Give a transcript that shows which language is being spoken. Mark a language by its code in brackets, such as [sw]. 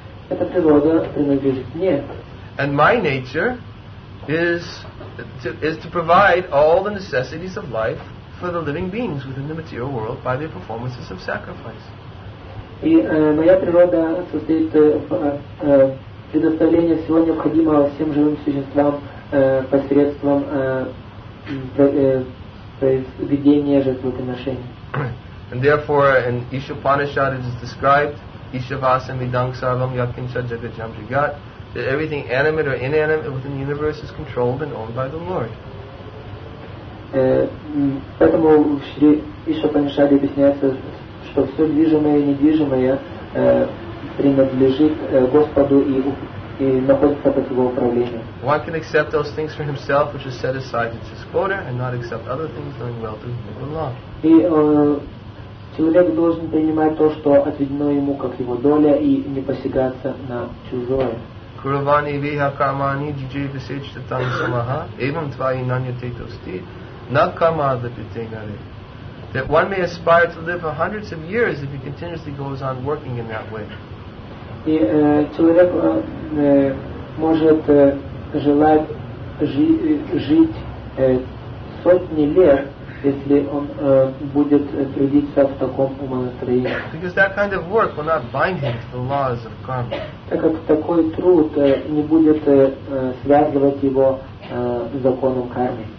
[ru] Эта природа принадлежит мне. [en] And my nature is to provide all the necessities of life for the living beings within the material world by their performances of sacrifice. [ru] И моя природа состоит в предоставлении всего необходимого всем живым существам посредством проведения жертвоприношений. [en] And therefore, in Ishopanishad it is described, [sa] Ishavasam Vidang Sarvam Yatkinsha Jagajam Jagat, [en] that everything animate or inanimate within the universe is controlled and owned by the Lord. [ru] Поэтому в Шри Ишопанишаде объясняется, что все движимое и недвижимое принадлежит Господу и находится под Его управлением. [en] One can accept those things for himself, which is set aside in his quota, and not accept other things, knowing well to whom they belong. [ru] И человек должен принимать то, что отведено ему как его доля, и не посягаться на чужое. [sa] Куравани виха кармани джи висеч татан самаха, эвам тваи нанья тето стит. [en] That one may aspire to live for hundreds of years if he continuously goes on working in that way. [ru] И человек может желать жить сотни лет, если он будет трудиться в таком умонастроении. [en] Because that kind of work will not bind him to the laws of karma. [ru] Так как такой труд не будет связывать его законом кармы.